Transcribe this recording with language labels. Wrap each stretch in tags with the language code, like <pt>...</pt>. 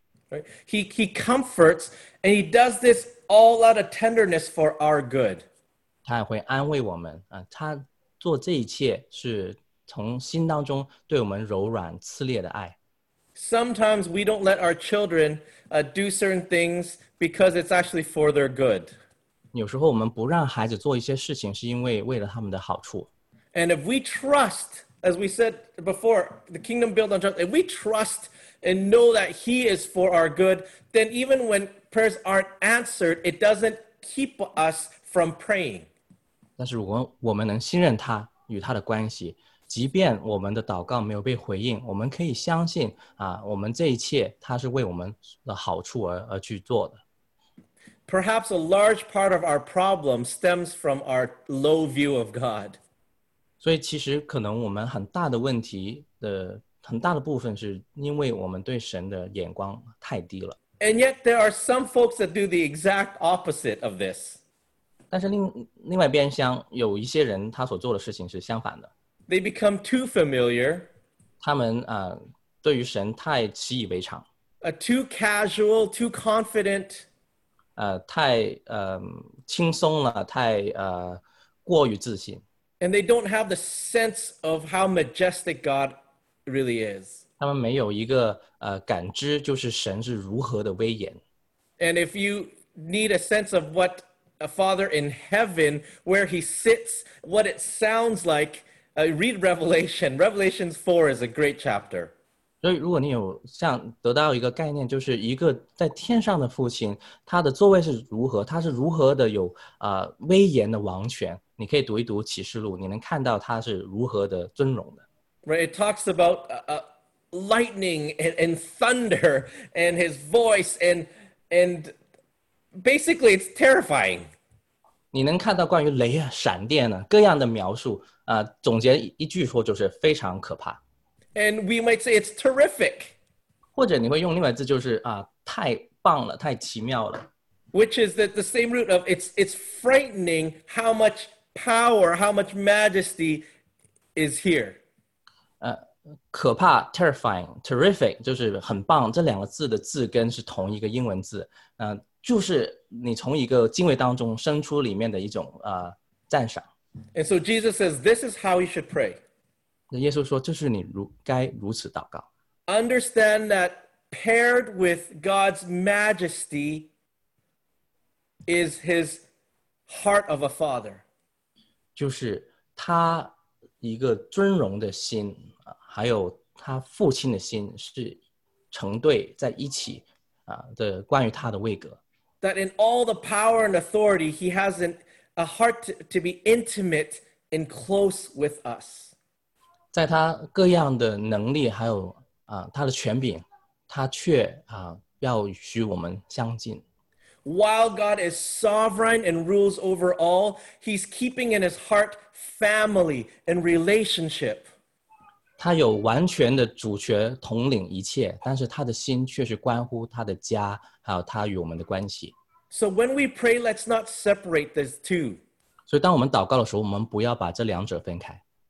<en>Right, he comforts, and he does this all out of tenderness for our good.</en> <zh>他也会安慰我们，他做这一切是从心当中对我们柔软炽烈的爱。</zh> <en>Sometimes we don't let our children do certain things because it's actually for their good.</en> <zh>有时候我们不让孩子做一些事情是因为为了他们的好处。</zh> <en>And if we trust, as we said before, the kingdom built on trust, if we trust and know that He is for our good, then even when prayers aren't answered, it doesn't keep us from praying.</en> <zh>但是如果我们能信任他与他的关系，即便我们的祷告没有被回应，我们可以相信啊，我们这一切它是为我们的好处而去做的。</zh> <en>Perhaps a large part of our problem stems from our low view of God.</en> <zh>所以其实可能我们很大的问题的很大的部分是因为我们对神的眼光太低了。</zh> <en>And yet there are some folks that do the exact opposite of this.</en> <zh>但是另外边厢有一些人他所做的事情是相反的。</zh> <en>They become too familiar.</en> <zh>他们对于神太习以为常。</zh> <en>Too casual, too confident.</en> <zh>太轻松了，太过于自信。</zh> <en>And they don't have the sense of how majestic God really is.</en> <zh>他们没有一个感知，就是神是如何的威严。</zh> <en>And if you need a sense of what a father in heaven, where he sits, what it sounds like,read Revelation. Revelation 4 is a great chapter.</en> <zh>所以如果你有像得到一个概念，就是一个在天上的父亲，他的座位是如何，他是如何的有威严的王权，你可以读一读启示录，你能看到他是如何的尊荣的。</zh> <en>Right, it talks about lightning and thunder and his voice and basically it's terrifying.</en> <zh>你能看到关于雷啊、闪电啊各样的描述，总结一句说就是非常可怕。</zh> <en>And we might say it's terrific.</en> <zh>或者你会用另外一字就是太棒了，太奇妙了。</zh> <en>Which is that the same root of it's frightening how much power, how much majesty is here.</en> <zh>可怕</zh> <en>terrifying, terrific</en> <zh>就是很棒，这两个字的字根是同一个英文字。就是你从一个敬畏当中生出里面的一种赞赏。</zh> <en>And so Jesus says, this is how you should pray.</en> <zh>耶稣说，这是你该如此祷告。</zh> <en>Understand that paired with God's majesty is his heart of a father.</en> <zh>就是他一个尊荣的心，还有他父亲的心是成对在一起的关于他的位格。</zh> <en>That in all the power and authority, he has a heart to be intimate and close with us.</en> <zh>在他各样的能力还有他的权柄，他却要与我们相近。</zh> <en>While God is sovereign and rules over all, he's keeping in his heart family and relationship.</en> <zh>他有完全的主权统领一切，但是他的心却是关乎他的家还有他与我们的关系。</zh> <en>So when we pray, let's not separate these two.</en> <zh>所以当我们祷告的时候，我们不要把这两者分开。</zh>